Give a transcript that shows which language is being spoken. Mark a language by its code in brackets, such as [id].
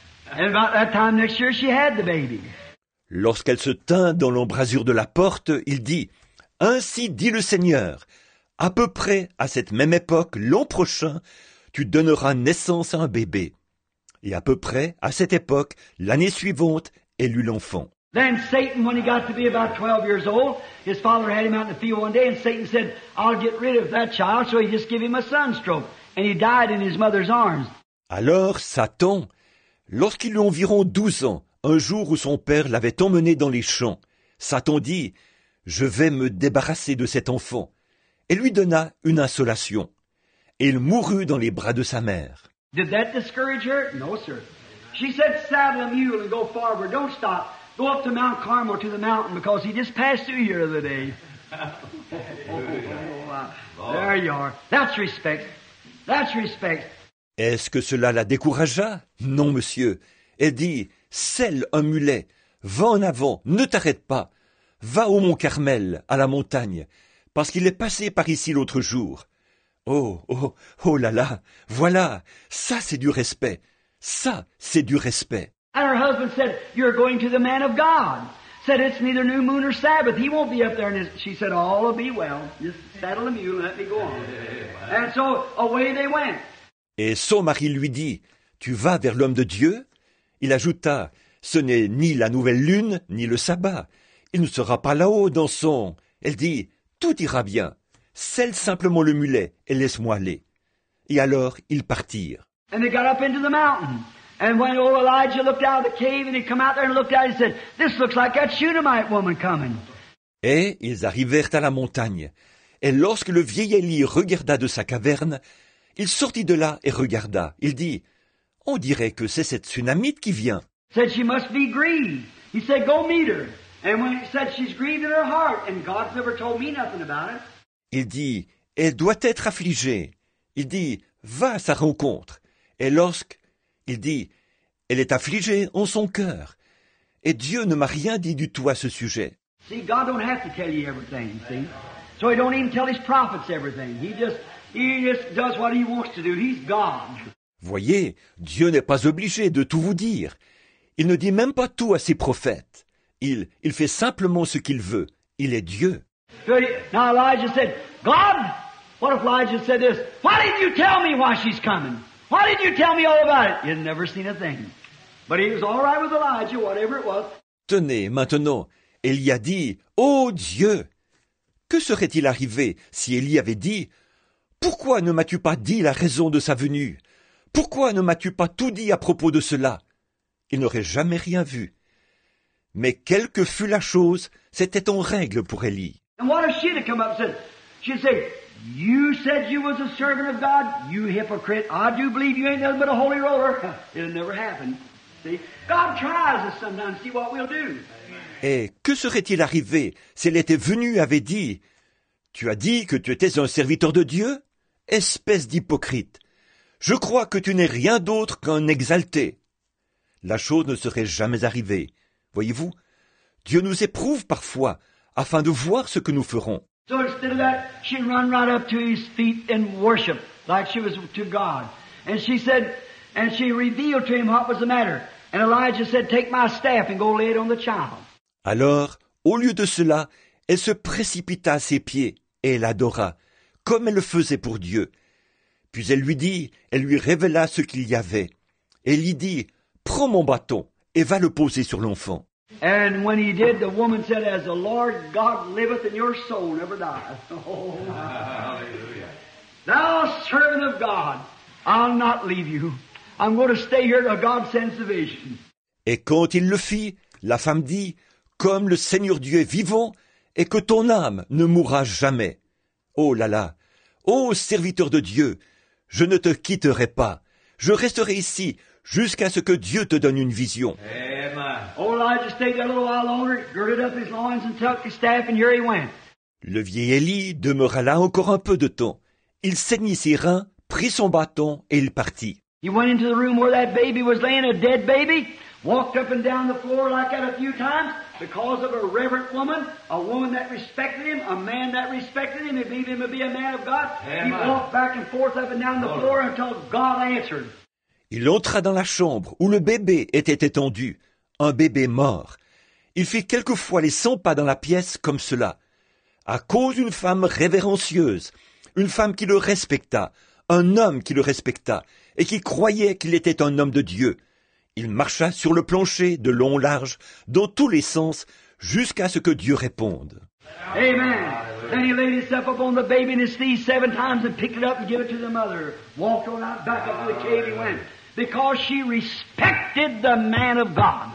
[en] And about that time next year she had the baby. [fr] Lorsqu'elle se tint dans l'embrasure de la porte, il dit, ainsi dit le Seigneur, à peu près à cette même époque, l'an prochain, tu donneras naissance à un bébé. Et à peu près à cette époque, l'année suivante, elle eut l'enfant. [en] Then Satan, when he got to be about 12 years old, his father had him out in the field one day, and Satan said, I'll get rid of that child, so he just gave him a sunstroke, and he died in his mother's arms. [fr] Alors Satan, lorsqu'il eut environ 12 ans, un jour où son père l'avait emmené dans les champs, Satan dit, je vais me débarrasser de cet enfant, et lui donna une insolation. Et il mourut dans les bras de sa mère. [en] Did that discourage her? No, sir. She said, saddle a mule and go forward, don't stop. Go up to Mount Carmel, to the mountain, because he just passed through here the other day. There you are. That's respect. That's respect. [fr] Est-ce que cela la découragea? Non, monsieur. Elle dit, selle un mulet. Va en avant, ne t'arrête pas. Va au Mont Carmel, à la montagne, parce qu'il est passé par ici l'autre jour. Oh, oh, oh là là, voilà, ça c'est du respect. Ça, c'est du respect. [en] And her husband said, you're going to the man of God. Said, it's neither new moon or Sabbath. He won't be up there. And she said, all will be well. Just saddle the mule and let me go on. And so away they went. [fr] Et son mari lui dit, tu vas vers l'homme de Dieu? Il ajouta, ce n'est ni la nouvelle lune, ni le sabbat. Il ne sera pas là-haut dans son... Elle dit, tout ira bien. Selle simplement le mulet et laisse-moi aller. Et alors, ils partirent. [en] And they got up into the mountain. And when old Elijah looked out of the cave and he come out there and looked out, he said, this looks like that Shunammite woman coming. [fr] Et ils arrivèrent à la montagne. Et lorsque le vieil Élie regarda de sa caverne, il sortit de là et regarda. Il dit, on dirait que c'est cette Shunammite qui vient. [en] Said she must be grieved. He said, go meet her. And when he said she's grieved in her heart, and God's never told me nothing about it. [fr] Il dit, elle doit être affligée. Il dit, va à sa rencontre. Et lorsque, il dit, elle est affligée en son cœur. Et Dieu ne m'a rien dit du tout à ce sujet. [en] See, God don't have to tell you everything, see. So he don't even tell his prophets everything. He just does what he wants to do. He's God. [fr] Voyez, Dieu n'est pas obligé de tout vous dire. Il ne dit même pas tout à ses prophètes. Il fait simplement ce qu'il veut. Il est Dieu. [en] Now Elijah said, God, what if Elijah said this? Why didn't you tell me why she's coming? Why didn't you tell me all about it? He had never seen a thing. But he was all right with Elijah, whatever it was. [fr] Tenez, maintenant, Élie a dit, oh Dieu, que serait-il arrivé si Élie avait dit, pourquoi ne m'as-tu pas dit la raison de sa venue? Pourquoi ne m'as-tu pas tout dit à propos de cela? Il n'aurait jamais rien vu. Mais quelle que fût la chose, c'était en règle pour Élie. [en] And what if she'd have come up and said, she'd say, you said you was a servant of God, you hypocrite. I do believe you ain't nothing but a holy roller. It'll never happen. See, God tries us sometimes, see what we'll do. [fr] Et que serait-il arrivé si elle était venue et avait dit, tu as dit que tu étais un serviteur de Dieu? Espèce d'hypocrite. Je crois que tu n'es rien d'autre qu'un exalté. La chose ne serait jamais arrivée. Voyez-vous, Dieu nous éprouve parfois afin de voir ce que nous ferons. [en] So instead of that, she ran right up to his feet in worship, like she was to God. And she said, and she revealed to him what was the matter. And Elijah said, take my staff and go lay it on the child. [fr] Alors, au lieu de cela, elle se précipita à ses pieds et l'adora, comme elle faisait pour Dieu. Puis elle lui dit, elle lui révéla ce qu'il y avait. Elle lui dit, « Prends mon bâton et va le poser sur l'enfant. » [en] And when he did, the woman said, as the Lord God liveth and your soul never dies. Thou servant of God, I'll not leave you. I'm going to stay here till God sends the vision. [fr] Et quand il le fit, la femme dit, comme le Seigneur Dieu est vivant, et que ton âme ne mourra jamais. Oh là là, ô serviteur de Dieu, je ne te quitterai pas. Je resterai ici jusqu'à ce que Dieu te donne une vision. [en] Amen. Oh, Elijah stayed there a little while longer, girded up his loins and tucked his staff, and here he went. [fr] Le vieil Élie demeura là encore un peu de temps. Il saignit ses reins, prit son bâton et il partit. [en] He went into the room where that baby was laying, a dead baby, walked up and down the floor like that a few times, because of a reverent woman, a woman that respected him, a man that respected him, and believed him to be a man of God. Amen. He walked back and forth up and down the floor until God answered. [fr] Il entra dans la chambre où le bébé était étendu. Un bébé mort. Il fit quelquefois les 100 pas dans la pièce comme cela. À cause d'une femme révérencieuse, une femme qui le respecta, un homme qui le respecta et qui croyait qu'il était un homme de Dieu. Il marcha sur le plancher de long large, dans tous les sens, jusqu'à ce que Dieu réponde. Amen. [en] Then he laid himself up on the baby and his knees 7 times and picked it up and gave it to the mother. Walked on out back up to the cave he went. Because she respected the man of God.